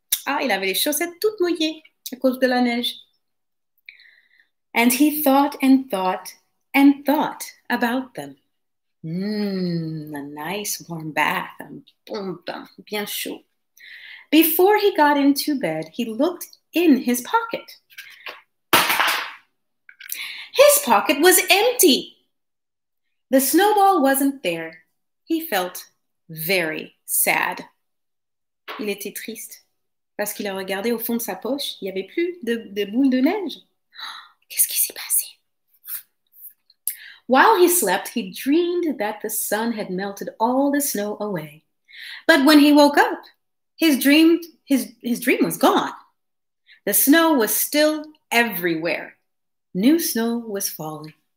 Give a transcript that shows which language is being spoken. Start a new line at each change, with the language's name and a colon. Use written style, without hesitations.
French: Ah, il avait les chaussettes toutes mouillées à cause de la neige.
English: And he thought and thought and thought about them. A nice warm bath. Boom, boom,
French: bien chaud.
English: Before he got into bed, he looked in his pocket. His pocket was empty. The snowball wasn't there. He felt very sad.
French: Il était triste parce qu'il a regardé au fond de sa poche. Il n'y avait plus de boules de neige. Qu'est-ce qui s'est passé?
English: While he slept, he dreamed that the sun had melted all the snow away. But when he woke up, his dream was gone. The snow was still everywhere. New snow was falling.